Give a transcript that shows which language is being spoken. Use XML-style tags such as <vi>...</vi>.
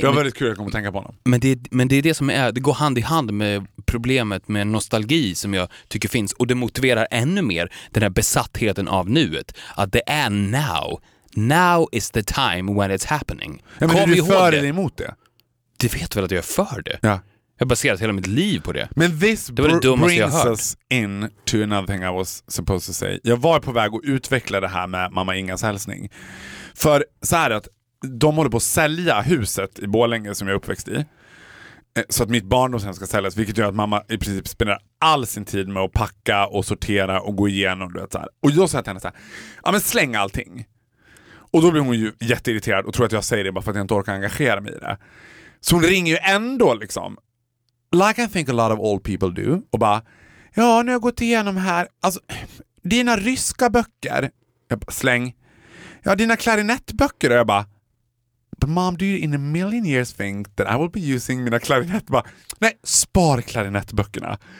<sv>det var väldigt kul att komma och tänka på honom. Men det är det som är... Det går hand i hand med problemet med nostalgi som jag tycker finns. Och det motiverar ännu mer den här besattheten av nuet. Att det är now.</sv> <en>Now is the time when it's happening.</en> <sv>Ja, men kom, är du för eller emot det? Du vet väl att jag är för det? Ja. Jag har baserat hela mitt liv på det. Men this det var det brings jag hört.</sv> <en>Us in to another thing I was supposed to say.</en> <sv>Jag var på väg att utveckla det här med mamma Ingas hälsning. För så här att de håller på att sälja huset i Borlänge som jag uppväxt i. Så att mitt barn då sen ska säljas. Vilket gör att mamma i princip spenderar all sin tid med att packa och sortera och gå igenom. Du vet, så här. Och jag sa till henne så här, ja men släng allting. Och då blir hon ju jätteirriterad och tror att jag säger det bara för att jag inte orkar engagera mig i det. Så hon ringer ju ändå liksom.</sv> <en>Like I think a lot of old people do.</en> <sv>Och bara, ja nu har jag gått igenom här. Alltså, dina ryska böcker. Jag bara, släng. Ja, dina klarinettböcker. Och jag bara,</sv> <en>but mom, do you in a million years think that I will be using</en> <sv>mina klarinett? Bara, nej, spar klarinettböckerna.</sv>